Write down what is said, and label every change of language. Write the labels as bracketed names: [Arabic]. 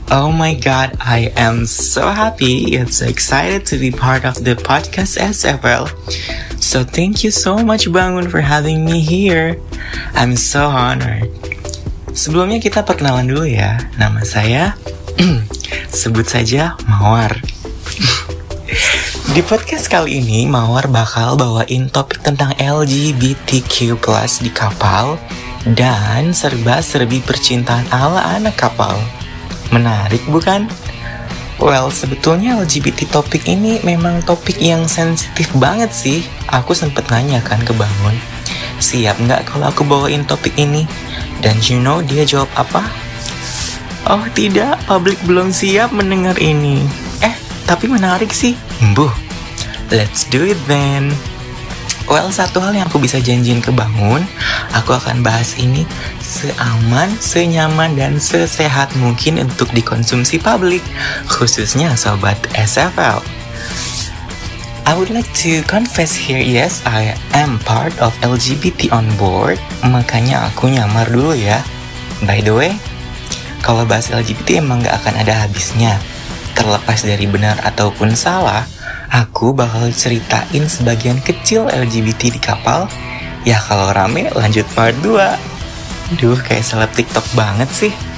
[English] Oh my god, I am so happy and so excited to be part of the podcast SFL. So thank you so much Bangun for having me here. I'm so honored. [Indonesian] Sebelumnya kita perkenalan dulu ya. Nama saya, sebut saja Mawar. Di podcast kali ini, Mawar bakal bawain topik tentang LGBTQ+ di kapal dan serba-serbi percintaan ala anak kapal. Menarik bukan? Well, sebetulnya LGBT topik ini memang topik yang sensitif banget sih. Aku sempet nanya kan ke Bangun, siap gak kalau aku bawain topik ini? Dan you know dia jawab apa? Oh tidak, publik belum siap mendengar ini. Tapi menarik sih. Mbuh, let's do it then. Well, satu hal yang aku bisa janjiin ke Bangun, aku akan bahas ini seaman, senyaman, dan sesehat mungkin untuk dikonsumsi publik, khususnya sobat SFL. [English] I would like to confess here, yes, I am part of LGBT on board, makanya aku nyamar dulu ya. [Indonesian] By the way, kalau bahas LGBT emang gak akan ada habisnya. Terlepas dari benar ataupun salah, aku bakal ceritain sebagian kecil LGBT di kapal. Ya kalau rame, lanjut part 2. Duh, kayak seleb TikTok banget sih.